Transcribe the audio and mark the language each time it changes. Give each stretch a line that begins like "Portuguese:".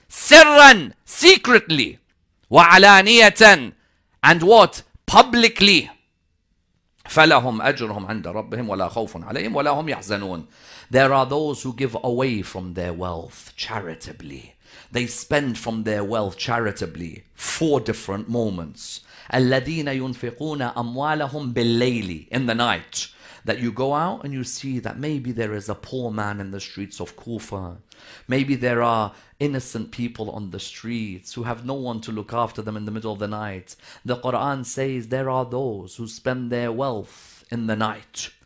Arabic: Sirran,
English: secretly.
Arabic: Wa'alaniyatan,
English: and what? Publicly.
Arabic: فَلَهُمْ أَجْرُهُمْ عَنْدَ رَبِّهِمْ وَلَا خَوْفٌ عَلَيْهِمْ وَلَا هُمْ يَحْزَنُونَ.
English: There are those who give away from their wealth charitably. They spend from their wealth charitably. Four different moments.
Arabic: الَّذِينَ يُنْفِقُونَ أَمْوَالَهُمْ بِاللَّيْلِ,
English: in the night. That you go out and you see that maybe there is a poor man in the streets of Kufa. Maybe there are innocent people on the streets who have no one to look after them in the middle of the night. The Quran says there are those who spend their wealth in the night.